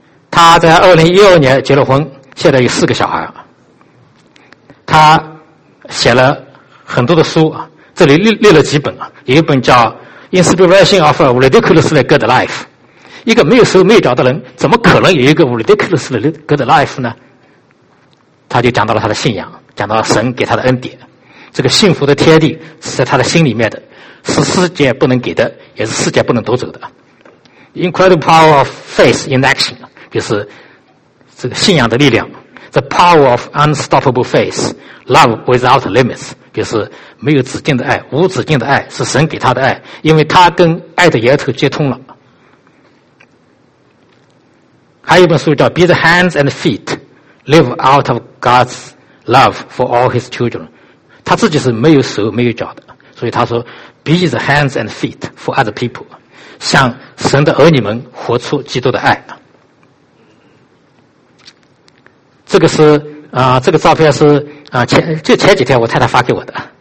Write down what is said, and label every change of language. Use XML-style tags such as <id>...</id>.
<zh>他在2012年结了婚，现在有4个小孩。他写了很多的书，这里列了几本，有一本叫</zh> <en>Inspiration of a Ridiculously Good Life。</en> <zh>一个没有手没脚的人怎么可能有一个</zh> <en>Ridiculously Good Life</en> <zh>呢？他就讲到了他的信仰，讲到了神给他的恩典，这个幸福的天地是在他的心里面的，是世界不能给的，也是世界不能夺走的。</zh> <en>Incredible Power of Faith in Action，</en> <zh>就是这个信仰的力量。</zh> <en>The power of unstoppable faith, love without limits，</en> <zh>就是没有止境的爱，无止境的爱是神给他的爱，因为他跟爱的源头接通了。</zh> <en>还有一本书叫 Be the hands and feet, live out of God's love for all his children.</en> <zh>他自己是没有手没有脚的，所以他说</zh> <en>Be the hands and feet for other people,</en> <zh>向神的儿女们活出基督的爱。这个是这个照片是前几天我太太发给我的。</zh>